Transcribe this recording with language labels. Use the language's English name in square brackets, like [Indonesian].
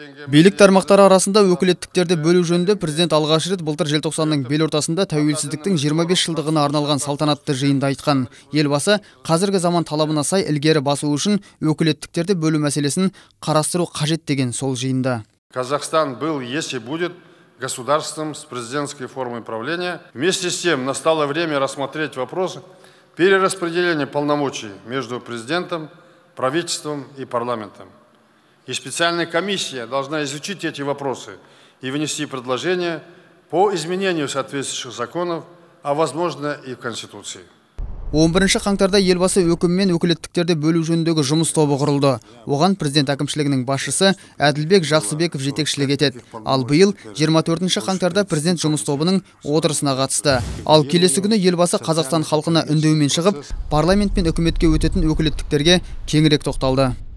[Kazakh] Билік тармақтары арасында өкілеттіктерді бөлу жөнінде президент алғаш рет былтыр желтоқсанның бел ортасында тәуелсіздіктің 25 жылдығына арналған салтанатты жиында айтқан. Елбасы қазіргі заман талабына сай ілгері басу үшін өкілеттіктерді бөлу мәселесін қарастыру қажет деген сол жиында. [Russian] Казахстан был, есть и будет государством с президентской формой правления. Вместе с тем настало время рассмотреть вопрос перераспределения полномочий между президентом, правительством и парламентом. И специальная комиссия должна изучить эти вопросы и внести предложения по изменению соответствующих законов, а возможно и в Конституции. [Kazakh] 11-ші қаңтарда елбасы өкімімен өкілеттіктерді бөлу жөніндегі жұмыс тобы құрылды. Оған президент әкімшілігінің басшысы Әділбек Жақсыбеков жетекшілік етеді. Ал биыл 24-ші қаңтарда президент жұмыс тобының отырысына қатысты. Ал келесі күні елбасы Қазақстан халқына үндеумен шығып, парламент пен үкіметке өтетін өкілеттіктерге кеңірек тоқталды.